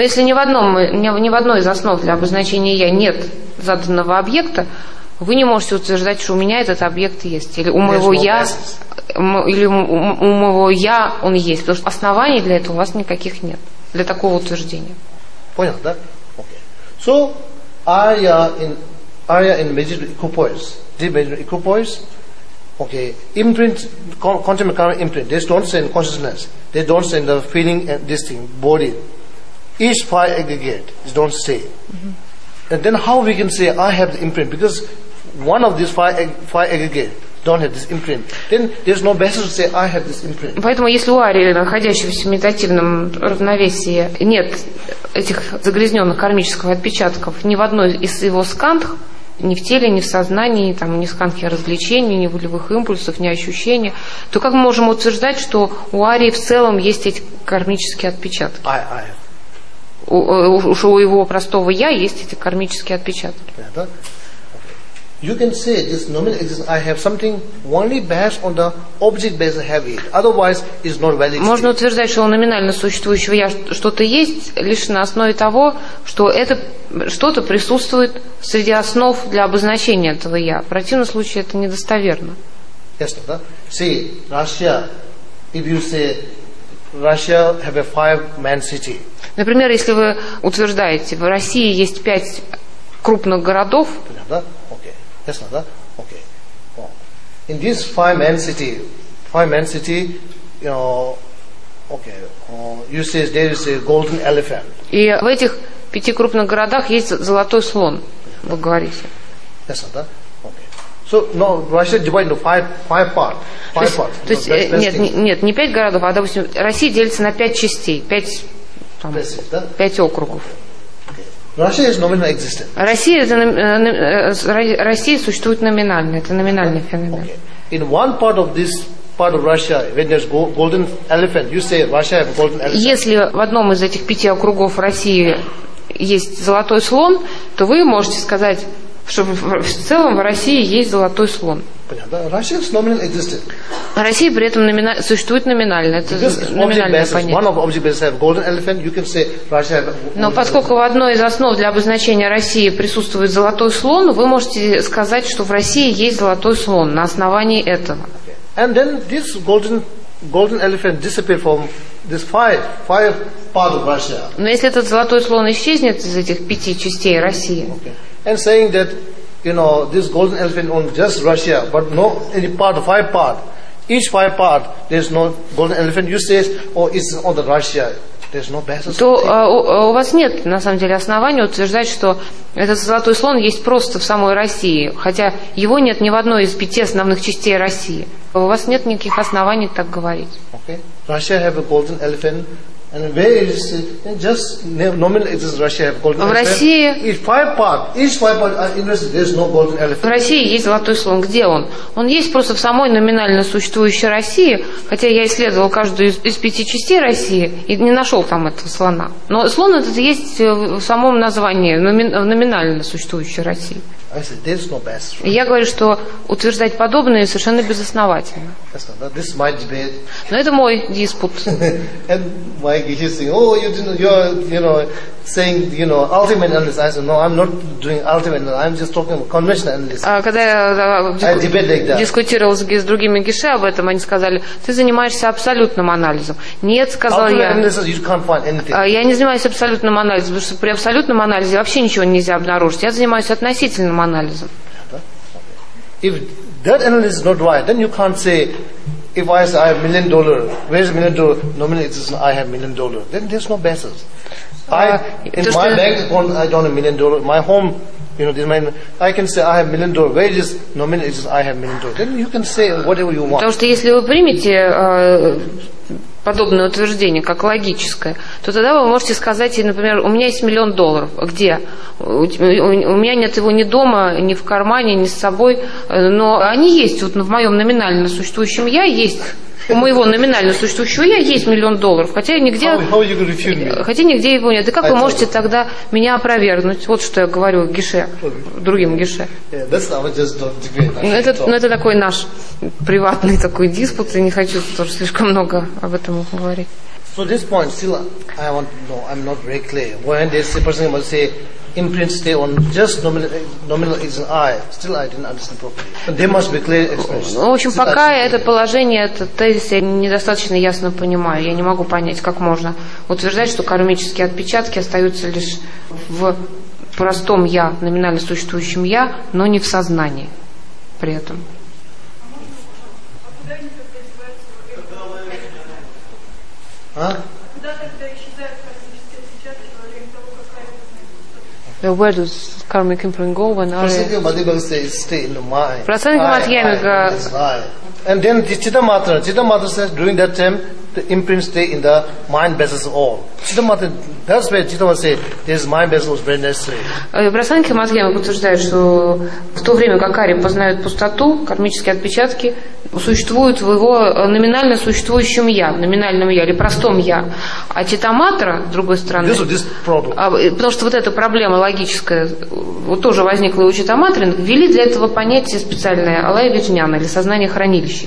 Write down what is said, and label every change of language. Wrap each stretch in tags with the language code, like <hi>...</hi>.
<ru>Но если ни в одной из основ для обозначения я нет заданного объекта, вы не можете утверждать, что у меня этот объект есть, или у моего я, или у моего я он есть, потому что оснований для этого у вас никаких нет для такого утверждения. Понятно, да?</ru> <en>Okay. So I in Arya in meditative equipoise, deep meditative equipoise, okay, imprint, quantum mechanical imprint, they don't send consciousness, they don't send the feeling and this thing, body, each five aggregate, they don't stay. Mm-hmm. And then how we can say I have the imprint, because one of these five aggregate don't have this imprint, then there's no basis to say I have this imprint.</en> <ru>Поэтому если у Арии, находящегося в медитативном равновесии, нет этих загрязненных кармических отпечатков ни в одной из его скандх, ни в теле, ни в сознании, там, ни в скандхе развлечений, ни волевых импульсов, ни ощущений, то как мы можем утверждать, что у Арии в целом есть эти кармические отпечатки?</ru> <en>I.</en> <ru>У его простого я есть эти кармические отпечатки.</ru> <en>You can say this nominal existence, I have something only based on the object based have it. Otherwise, it's not valid.</en> <ru>Можно утверждать, что у номинально существующего я что-то есть лишь на основе того, что это что-то присутствует среди основ для обозначения этого я. В противном случае это недостоверно.</ru> <en>Yes,</en> <ru>да.</ru> <en>See, Russia. If you say Russia have a five-man city.</en> <ru>Например, если вы утверждаете, в России есть 5 крупных городов.</ru> <en>Yes, not that. Okay. Well, in this five-man city, you say there is a golden elephant.</en> <ru>И в этих 5 крупных городах есть золотой слон. Вы говорите.</ru> <en>Yes, not that. Okay. So no, Russia divided into five parts.</en> <ru>Нет, не 5 городов, а допустим, Россия делится на 5 частей, 5 округов.</ru> <en>Russia is nominal existence.</en> <ru>Россия существует номинально. Это номинальный феномен.</ru> <en>Okay. In one part of this part of Russia, when there's golden elephant, you say Russia has a golden elephant.</en> <ru>Если в одном из этих 5 округов России есть золотой слон, то вы можете сказать, что в целом в России есть золотой слон. Понятно.</ru> <en>Россия is nominal existence.</en> <ru>Россия при этом существует номинально. Это номинальное понятие. Но поскольку в одной из основ для обозначения России присутствует золотой слон, вы можете сказать, что в России есть золотой слон на основании этого.</ru> <en>And then this golden elephant disappears from this five part of Russia.</en> <ru>Но если этот золотой слон исчезнет из этих 5 частей России.</ru> <en>Okay. And saying that this golden elephant on just Russia, but no any part, five part. Each five part, there's no golden elephant. You say, it's on the Russia. There's no basis.</en> <ru>То у вас нет на самом деле основания утверждать, что этот золотой слон есть просто в самой России, хотя его нет ни в одной из 5 основных частей России. У вас нет никаких оснований так говорить.</ru> <en>Okay. Russia have a golden elephant. And where is it? Just nominally, this Russia have golden elephant.</en> <ru>В России.</ru> <en>Each five part are interested. There's no golden elephant.</en> <ru>В России есть золотой слон. Где он? Он есть просто в самой номинально существующей России. Хотя я исследовал каждую из 5 частей России и не нашел там этого слона. Но слон этот есть в самом названии в номинально существующей России.</ru> <en>I said there's no basis.</en> <ru>Я говорю, что утверждать подобное совершенно безосновательно.</ru> <en>This might be.</en> <ru>Но это мой диспут.</ru> <en>And my guy is saying, you're saying ultimate analysis. I said, no, I'm not doing ultimate analysis. I'm just talking about conventional analysis.</en> <ru>Когда я дискутировал с другими гиши об этом, они сказали, ты занимаешься абсолютным анализом. Нет, сказал я.</ru> <en>Ultimate analysis, you can't find anything.</en> <ru>Я не занимаюсь абсолютным анализом, потому что при абсолютном анализе вообще ничего нельзя обнаружить. Я занимаюсь относительным анализом.</ru> <en>If that analysis is not right, then you can't say, if I say I have $1 million, where's $1 million? Nominally, it's I have $1 million. Then there's no basis. In my bank account, I don't have $1 million. My home, I can say I have $1 million. Where is nominally, it's I have $1 million. Then you can say whatever you want.</en> <ru>Потому что если вы примете подобное утверждение, как логическое, то тогда вы можете сказать, например, у меня есть $1 million. Где? У меня нет его ни дома, ни в кармане, ни с собой. Но они есть. Вот в моем номинально существующем я есть. У моего номинально существующего я есть $1 million. Хотя нигде его нет. Да как вы можете тогда меня опровергнуть? Вот что я говорю гише, другим гише. Это такой наш приватный такой диспут. Я не хочу тоже слишком много об этом говорить.</ru> <en>So this point, still, I want to know, I'm not very clear. When there's a person who say, imprint stay on just nominal is an I. Still, I didn't understand properly. There must be clear expression.</en> <ru>В общем, пока это положение, этот тезис, я недостаточно ясно понимаю. Я не могу понять, как можно утверждать, что кармические отпечатки остаются лишь в простом я, номинально существующем я, но не в сознании при этом. Куда тогда исчезают кармические отпечатки во время того, как они</ru> <en>Where does karmic imprint go when Prasangika Madhyamaka says stay in the mind. Prasangika Madhyamaka. And then the Chitta Matra says during that time the imprint stay in the mind basis of all. Chitta Matra, that's where Chitta Matra says this mind basis was very necessary.</en> <ru>Prasangika Madhyamaka утверждает, что в то время, как Ари познает пустоту, кармические отпечатки существуют в его номинально существующем я, в номинальном я или простом я. А Читаматра, с другой стороны, потому что вот эта проблема логическая вот тоже возникла у Читаматры, ввели для этого понятие специальное Алая Виджняна или сознание хранилища.</ru>